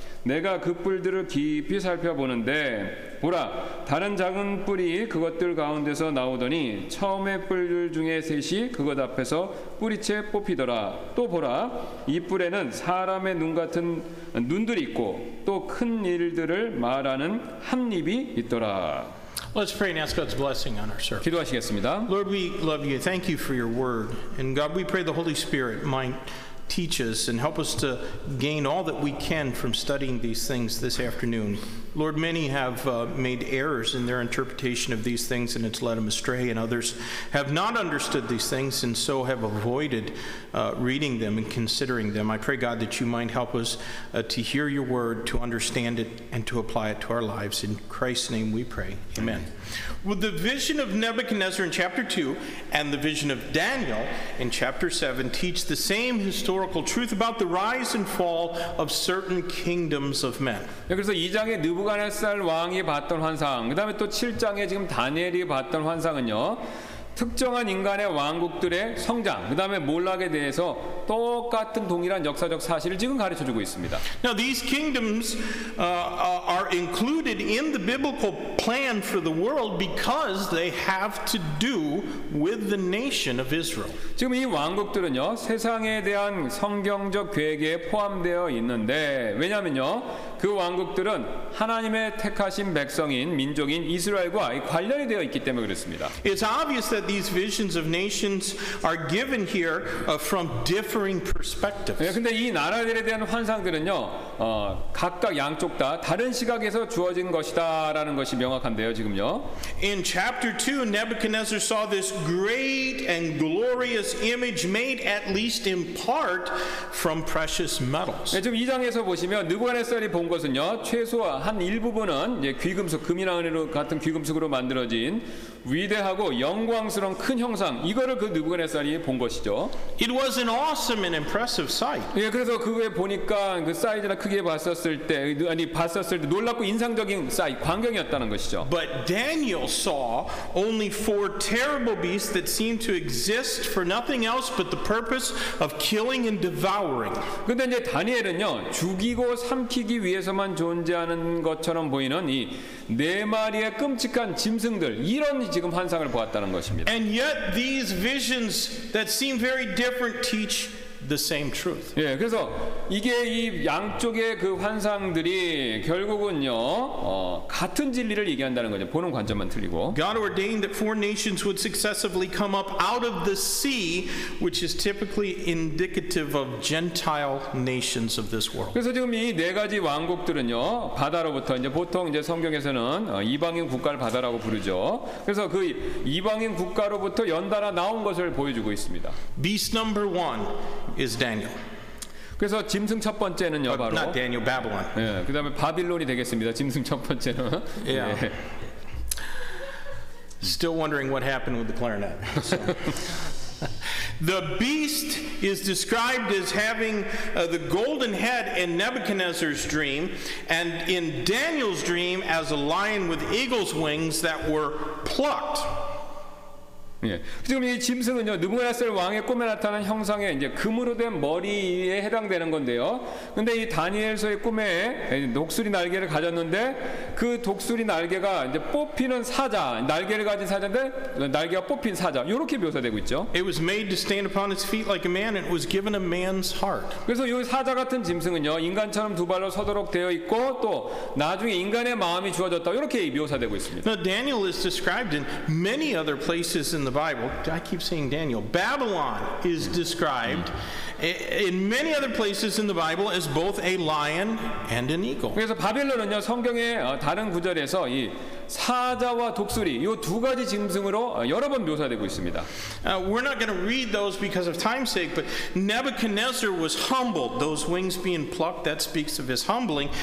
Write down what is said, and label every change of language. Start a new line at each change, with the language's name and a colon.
Korean: 내가 그 뿔들을 깊이 살펴보는데 보라, 다른 작은 뿔이 그것들 가운데서 나오더니 처음의 뿔들 중에 셋이 그것 앞에서 뿌리채 뽑히더라. 또 보라, 이 뿔에는 사람의 눈 같은 눈들이 있고 또 큰 일들을 말하는 한입이 있더라.
English: Let's pray and ask God's blessing on our service.
Korean: 기도하시겠습니다.
English: Lord, we love you. Thank you for your word. And God, we pray the Holy Spirit might teach us and help us to gain all that we can from studying these things this afternoon. Lord, many have made errors in their interpretation of these things and it's led them astray, and others have not understood these things and so have avoided reading them and considering them. I pray, God, that you might help us to hear your word, to understand it, and to apply it to our lives. In Christ's name we pray. Amen. Well, the vision of Nebuchadnezzar in chapter 2 and the vision of Daniel in chapter 7 teach the same historical truth about the rise and fall of certain kingdoms of men.
Korean: 느부갓네살 왕이 봤던 환상, 그 다음에 또 7장에 지금 다니엘이 봤던 환상은요, 특정한 인간의 왕국들의 성장, 그 다음에 몰락에 대해서 똑같은 동일한 역사적 사실을 지금 가르쳐주고 있습니다.
English: Now these kingdoms are included in the biblical plan for the world because they have to do with the nation of Israel.
Korean: 지금 이 왕국들은요, 세상에 대한 성경적 계획에 포함되어 있는데, 왜냐면요, 그 왕국들은 하나님의 택하신 백성인 민족인 이스라엘과 관련이 되어 있기 때문에 그렇습니다.
English: It's obvious that these visions of nations are given here from differing perspectives.
Korean: 예, 근데 이 나라들에 대한 환상들은요, 각각 양쪽 다 다른 시각에서 주어진 것이다라는 것이 명확한데요, 지금요.
English: In chapter 2, Nebuchadnezzar saw this great and glorious image made at least in part from precious metals.
Korean: 예, 지금 2장에서 보시면 느부갓네살이 본 것은요, 최소한 일부분은 이제 귀금속, 금이나 은으로 같은 귀금속으로 만들어진 위대하고 영광스러운 큰 형상, 이거를 그 느부갓네살이 본 것이죠.
English: It was an awesome and impressive sight.
Korean: 예, 그래서 그게 보니까 그 사이즈나 크기에 봤었을 때, 아니 봤었을 때 놀랍고 인상적인 사이즈 광경이었다는 것이죠.
English: But Daniel saw only four terrible beasts that seemed to exist for nothing else but the purpose of killing and devouring.
Korean: 근데 이제 다니엘은요, 죽이고 삼키기 위해서만 존재하는 것처럼 보이는 이 네 마리의 끔찍한 짐승들, 이런 지금 환상을 보았다는 것입니다.
English: And yet these visions that seem very different teach the same truth.
Korean: 예, 그래서 이게 이 양쪽의 그 환상들이 결국은요, 같은 진리를 얘기한다는 거죠. 보는 관점만 틀리고.
English: God ordained that four nations would successively come up out of the sea, which is typically indicative of Gentile nations of this world.
Korean: 그래서 지금 이 네 가지 왕국들은요, 바다로부터 이제 보통 이제 성경에서는 이방인 국가를 바다라고 부르죠. 그래서 그 이방인 국가로부터 연달아 나온 것을 보여주고 있습니다.
English: Beast number one is Daniel.
Korean: 그래서 짐승 첫 번째는요,
English: but
Korean: 바로
English: not Daniel, Babylon.
Korean: 예, 그다음에 바빌론이 되겠습니다. 짐승 첫 번째는.
English: Yeah. Still wondering what happened with the clarinet. So. The beast is described as having the golden head in Nebuchadnezzar's dream and in Daniel's dream as a lion with eagle's wings that were plucked.
Korean: 예, 지금 이 짐승은요, 느부갓네살 왕의 꿈에 나타난 형상의 이제 금으로 된 머리에 해당되는 건데요. 근데 이 다니엘서의 꿈에 독수리 날개를 가졌는데 그 독수리 날개가 이제 뽑히는 사자, 날개를 가진 사자인데 날개가 뽑힌 사자, 이렇게 묘사되고 있죠.
English: It was made to stand upon its feet like a man, and it was given a man's heart.
Korean: 그래서 이 사자 같은 짐승은요, 인간처럼 두 발로 서도록 되어 있고 또 나중에 인간의 마음이 주어졌다, 이렇게 묘사되고 있습니다.
English: Now Daniel is described in many other places. In the Bible, I keep saying Daniel. Babylon is described in many other places in the Bible as both a lion and an eagle.
Korean: 그래서 바벨론은요 성경의 다른 구절에서 이 사자와 독수리 이 두 가지 짐승으로 여러 번 묘사되고 있습니다.
English: We're not going to read those because of time's sake, but Nebuchadnezzar was humbled. Those wings being plucked, that speaks of his humbling.